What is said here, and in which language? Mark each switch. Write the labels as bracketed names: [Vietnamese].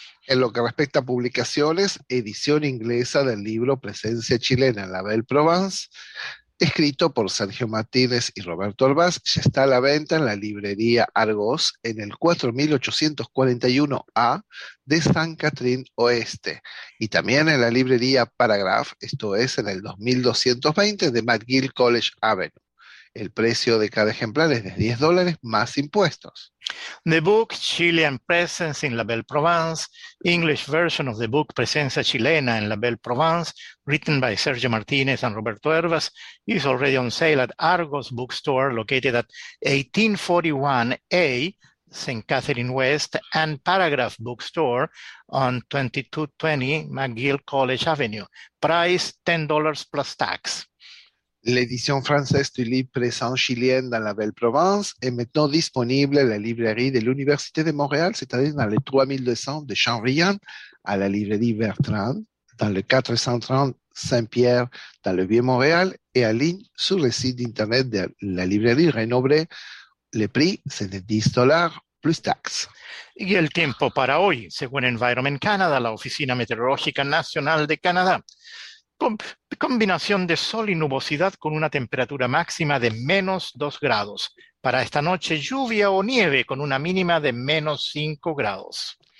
[Spanish] En lo que respecta a publicaciones, edición inglesa del libro Presencia Chilena en la Belle Provence, escrito por Sergio Martínez y Roberto Arbaz, ya está a la venta en la librería Argos en el 4841A de San Catrín Oeste y también en la librería Paragraph, esto es en el 2220 de McGill College Avenue. El precio de cada ejemplar es de $10 más impuestos. [English] The book Chilean Presence in La Belle Provence, English version of the book Presencia Chilena en La Belle Provence, written by Sergio Martínez and Roberto Hervas, is already on sale at Argos Bookstore, located at 1841A St. Catherine West, and Paragraph Bookstore on 2220 McGill College Avenue. Price $10 plus tax. [French] L'édition française du livre Présence chilienne dans la Belle Provence est maintenant disponible à la librairie de l'Université de Montréal, c'est-à-dire dans le 3200 de Champrillan, à la librairie Bertrand, dans le 430 Saint-Pierre, dans le Vieux-Montréal, et en ligne sur le site d'Internet de la librairie Renobré. Le prix, c'est de $10 plus taxes. [Spanish] Y el tiempo para hoy, según Environment Canada, la Oficina Meteorológica Nacional de Canadá. Combinación de sol y nubosidad con una temperatura máxima de menos 2 grados. Para esta noche, lluvia o nieve con una mínima de menos 5 grados.